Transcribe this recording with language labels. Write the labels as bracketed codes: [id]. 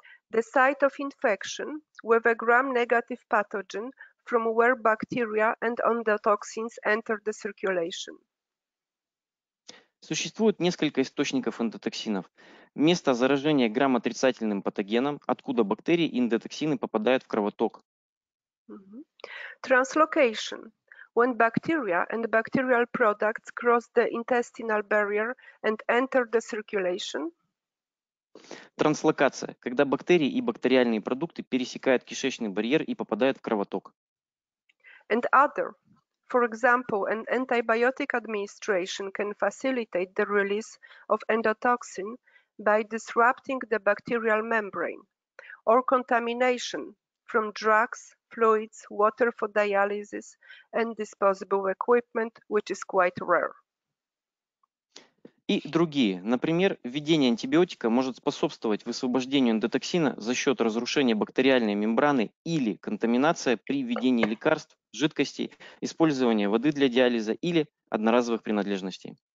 [en] The site of infection with a gram-negative pathogen from where bacteria and endotoxins enter the circulation. [ru] Существует несколько источников эндотоксинов. Место заражения грамотрицательным патогеном, откуда бактерии и эндотоксины попадают в кровоток. [en] Translocation. When bacteria and bacterial products cross the intestinal barrier and enter the circulation. [ru] Транслокация, когда бактерии и бактериальные продукты пересекают кишечный барьер и попадают в кровоток. [en] And other, for example, an antibiotic administration can facilitate the release of endotoxin by disrupting the bacterial membrane, or contamination from drugs, fluids, water for dialysis, and disposable equipment, which is quite rare. [ru] И другие. Например, введение антибиотика может способствовать высвобождению эндотоксина за счет разрушения бактериальной мембраны или контаминация при введении лекарств, жидкостей, использования воды для диализа или одноразовых принадлежностей.